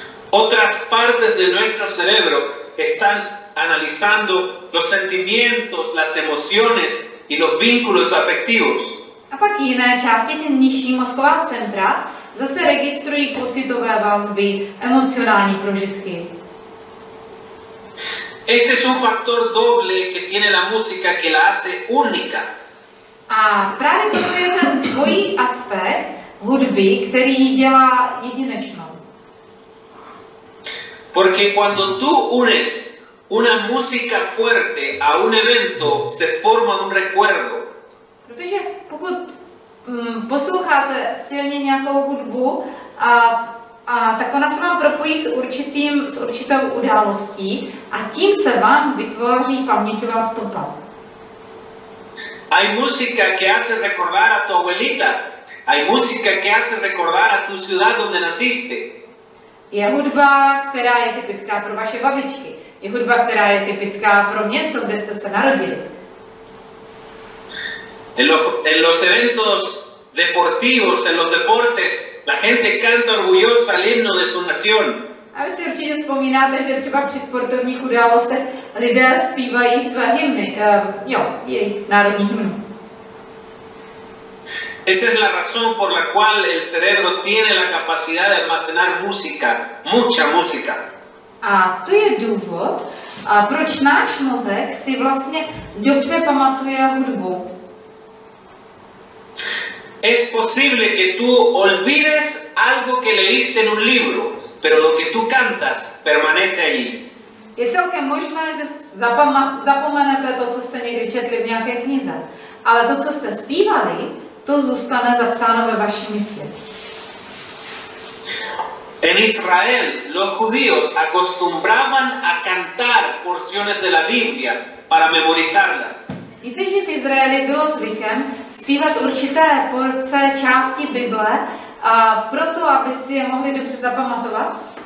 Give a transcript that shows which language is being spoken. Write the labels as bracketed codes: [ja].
[es] Otras partes de nuestro cerebro están analizando los sentimientos, las emociones y los vínculos afectivos. [cs] A pak jiné části, ty nižší mozková centra, zase registrují pocitové vazby, emocionální prožitky. [es] Este es un factor doble que tiene la música que la hace única. [cs] A právě to je ten dvojí aspekt hudby, který ji dělá jedinečnou. [es] Porque cuando tú unes una música fuerte a un evento, se forma un recuerdo. [cs] Protože pokud posloucháte silně nějakou hudbu, tak ona se vám propojí s určitou událostí a tím se vám vytvoří paměťová stopa. [es] Hay música que hace recordar a tu abuelita. Hay música que hace recordar a tu ciudad donde naciste. [cs] Je hudba, která je typická pro vaše babičky. Je hudba, která je typická pro město, kde jste se narodili. [es] En los eventos deportivos, en los deportes, la gente canta orgullosa el himno de su nación. [cs] A vy si určitě vzpomínáte, že třeba při sportovních událostech lidé zpívají své hymny, jejich národní hymny. [es] Esa es la razón por la cual el cerebro tiene la capacidad de almacenar música, mucha música. [cs] A to je důvod, proč náš mozek si vlastně dobře pamatuje hudbu. [es] Es posible que tú olvides algo que leíste en un libro, pero lo que tú cantas permanece allí. [cs] Je celkem možné, že zapomenete to, co jste někdy četli v nějaké knize, ale to, co jste zpívali, to zůstane zapsáno ve vaší mysli. [es] En Israel, los judíos acostumbraban a cantar porciones de la Biblia para memorizarlas. [cs] Víte, že v Izraeli bylo zvykem zpívat určité porce části Bible, proto, aby si je mohli dobře zapamatovat?